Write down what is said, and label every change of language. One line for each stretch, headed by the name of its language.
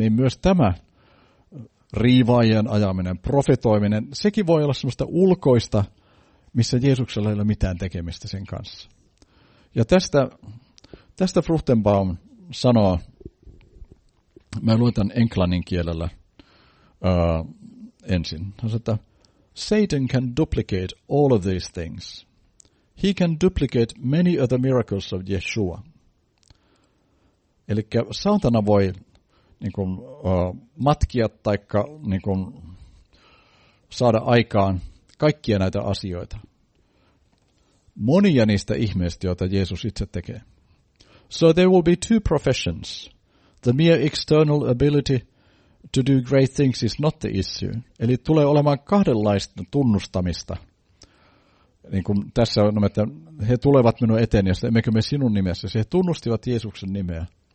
Finnish: Niin myös tämä riivaajien ajaminen, profetoiminen, sekin voi olla semmoista ulkoista, missä Jeesuksella ei ole mitään tekemistä sen kanssa. Ja tästä Fruchtenbaum sanoo, mä luetan englannin kielellä ensin. Hän sanoo, että
English: Satan can duplicate all of these things. He can duplicate many of the miracles of Yeshua.
Finnish: Elikkä saatana voi niin kuin, matkia taikka niin kuin, saada aikaan kaikkia näitä asioita. Monia niistä ihmeistä, joita Jeesus itse tekee.
English: So there will be two professions. The mere external ability to do great things is not the issue.
Finnish: Eli tulee olemaan kahdenlaista tunnustamista. Niin kuin tässä on, että he tulevat minun eteeni, ja emmekö me sinun nimessä. He tunnustivat Jeesuksen nimeä.